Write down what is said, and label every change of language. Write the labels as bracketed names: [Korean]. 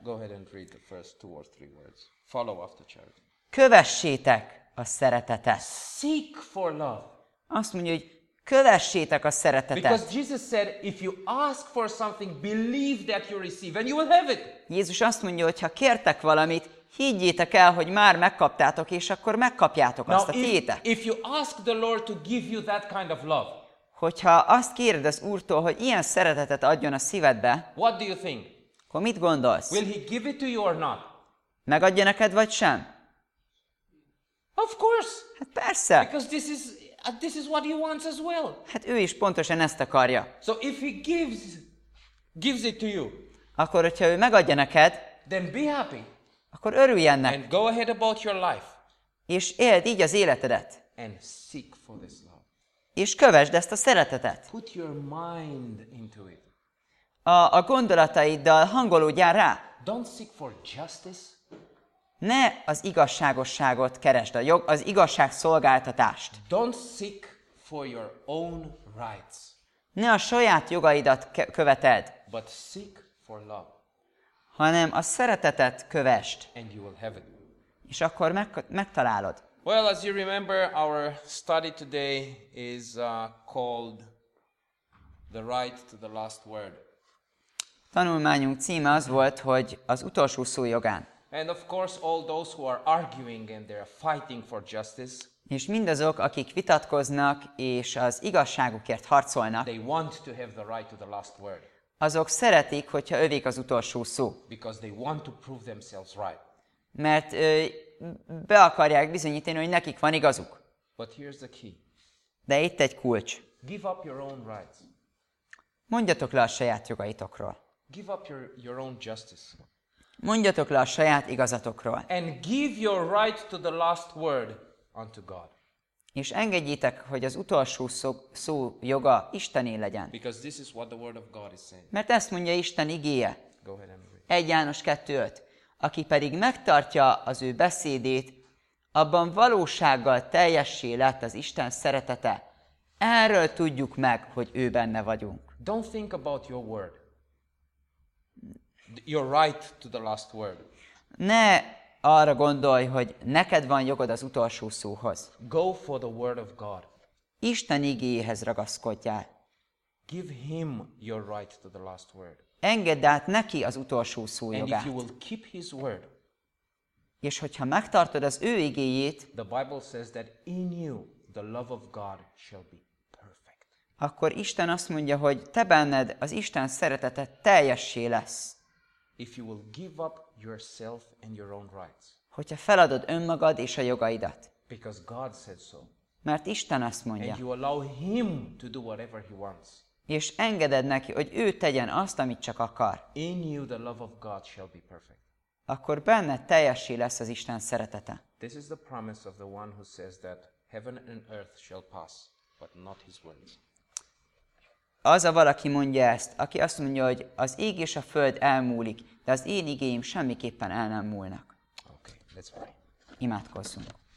[English] Go ahead and read the first two or three words. Follow after charity. [Hungarian] Kövessétek a szeretetet. [English] Seek for love. [Hungarian] Azt mondja, hogy kövessétek a szeretetet. [English] Because Jesus said, if you ask for something, believe that you receive, and you will have it. [Hungarian] Jézus azt mondja, hogy ha kértek valamit, higgyétek el, hogy már megkaptátok, és akkor megkapjátok [English] Now, [Hungarian] azt a tiétek. [English] If you ask the Lord to give you that kind of love. [Hungarian] Hogyha azt kéred az Úrtól, hogy ilyen szeretetet adjon a szívedbe. [English] What do you think? [Hungarian] Akkor mit gondolsz? [English] Will he give it to you or not? [Hungarian] Megadja neked vagy sem? [English] Of course. [Hungarian] Hát persze. [English] Because this is what he wants as well. [Hungarian] Hát ő is pontosan ezt akarja. [English] So if he gives it to you, [Hungarian] akkor hogyha ő megadja neked, [English] then be happy. [Hungarian] Akkor örülj ennek. [English] And go ahead about your life. [Hungarian] És éld így az életedet. [English] And seek for this love. [Hungarian] És kövesd ezt a szeretetet. [English] Put your mind into it. [Hungarian] A gondolataiddal hangolódjál rá. [English] Don't seek for justice. [Hungarian] Ne az igazságosságot keresd, a jog, az igazság szolgáltatást. [English] Don't seek for your own rights. [Hungarian] Ne a saját jogaidat követeld. [English] But seek for love. [Hungarian] Hanem a szeretetet kövest. [English] And you will have it. [Hungarian] És akkor megtalálod. [English] Well, as you remember, our study today is called The Right to the Last Word. [Hungarian] Tanulmányunk címe az volt, hogy az utolsó szó jogán. [English] And of course all those who are arguing and they're fighting for justice. [Hungarian] És mindazok, akik vitatkoznak és az igazságukért harcolnak. [English] They want to have the right to the last word. [Hungarian] Azok szeretik, hogyha övék az utolsó szó. [English] Because they want to prove themselves right. [Hungarian] Mert be akarják bizonyítani, hogy nekik van igazuk. [English] But here's the key. [Hungarian] De itt egy kulcs. [English] Give up your own rights. [Hungarian] Mondjatok le a saját jogaitokról. [English] Give up your own justice. [Hungarian] Mondjatok le a saját igazatokról. [English] And give your right to the last word unto God. [Hungarian] És engedjétek, hogy az utolsó szó joga Istené legyen. [English] Because this is what the word of God is saying. [Hungarian] Mert ezt mondja Isten igéje. [English] Go ahead and read. [Hungarian] 1 János 2:5. Aki pedig megtartja az ő beszédét, abban valósággal teljessé lett az Isten szeretete. Erről tudjuk meg, hogy ő benne vagyunk. [English] Don't think about your word. Your right to the last word. [Hungarian] Ne arra gondolj, hogy neked van jogod az utolsó szóhoz. [English] Go for the word of God. [Hungarian] Isten igéhez ragaszkodjál. [English] Give him your right to the last word. [Hungarian] Engedd át neki az utolsó szó jogát. [English] And if you will keep his word. [Hungarian] És hogyha megtartod az ő igéjét, [English] the Bible says that in you the love of God shall be. [Hungarian] Akkor Isten azt mondja, hogy te benned az Isten szeretete teljessé lesz. [English] If you will give up yourself and your own rights. [Hungarian] Hogyha feladod önmagad és a jogaidat. [English] Because God said so. [Hungarian] Mert Isten azt mondja. [English] And you allow him to do whatever he wants. [Hungarian] És engeded neki, hogy ő tegyen azt, amit csak akar. [English] In you the love of God shall be perfect. [Hungarian] Akkor benned teljessé lesz az Isten szeretete. [English] This is the promise of the one who says that heaven and earth shall pass, but not his words. [Hungarian] Az a valaki mondja ezt, aki azt mondja, hogy az ég és a föld elmúlik, de az én igéim semmiképpen el nem múlnak. [English] Okay, let's pray. [Hungarian] Imádkozzunk.